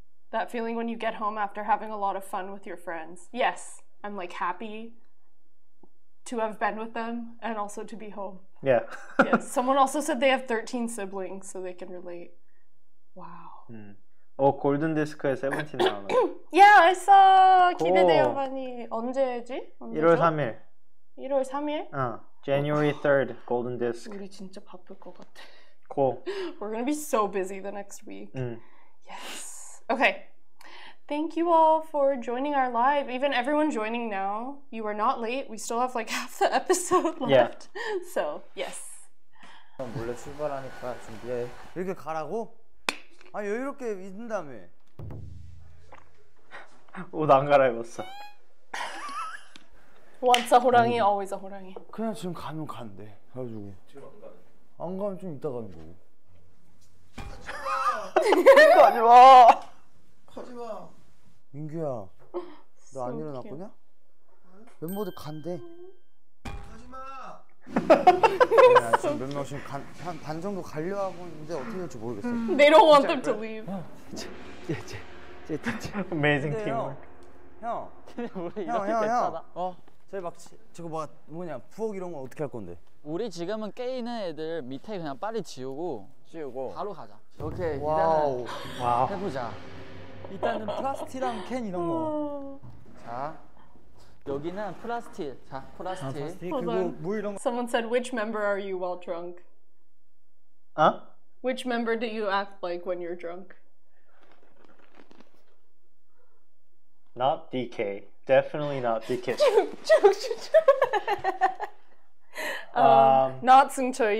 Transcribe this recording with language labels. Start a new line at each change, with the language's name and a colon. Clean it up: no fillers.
English: That feeling when you get home after having a lot of fun with your friends. Yes, I'm like happy to have been with them and also to be home. Yeah. Yes. Someone also said they have 13 siblings so they can relate. Wow.
Korean: 오, 골든 디스크에 세븐틴 나오네. 야, 알았어. 기대돼요, 많이. 언제지? 1월 3일. 1월 3일? 어.
English: January 3rd,
Korean: 골든 디스크. 우리 진짜 바쁠 것 같아. 고.
English: We're gonna be so busy the next week. Yes. Okay. Thank you all for joining our live. Even everyone joining now, you are not late. We still have like half the episode left. Yeah. So, yes.
Korean: 몰래 출발하니까 준비해. 이렇게 가라고? 아 여유롭게 있는다며 옷 안 갈아입었어
English: Once a 호랑이, 아니, always a 호랑이
Korean: 그냥 지금 가면 간대 그래가지고 지금 안 가면 좀 이따 가는 거고 가지마! 가지마! 가지마! 민규야 너 안 일어났구냐? 응? 멤버들 간대 가지마! 야, 몇 명씩 간, 한 반 정도 갈려 하고 있는데 어떻게 될지 모르겠어.
English: They don't want them to leave.
Korean: 제
English: Amazing teamwork.
Korean: 형, 저희 막 저거 막 뭐냐 부엌 이런 거 어떻게 할 건데? 우리 지금은 깨 있는 애들 밑에 그냥 빨리 지우고 바로 가자. 오케이 일단은 해보자. 일단은 플라스틱이랑 캔 이런 거. 자. 여기는 플라스틱. 자, 플라스틱. 아, 플라스틱. 그리고 물 이런 거.
English: Someone said, which member are you while drunk?
Korean: 아?
English: Which member do you act like when you're drunk? Not DK. Definitely not DK. not Seungcheol.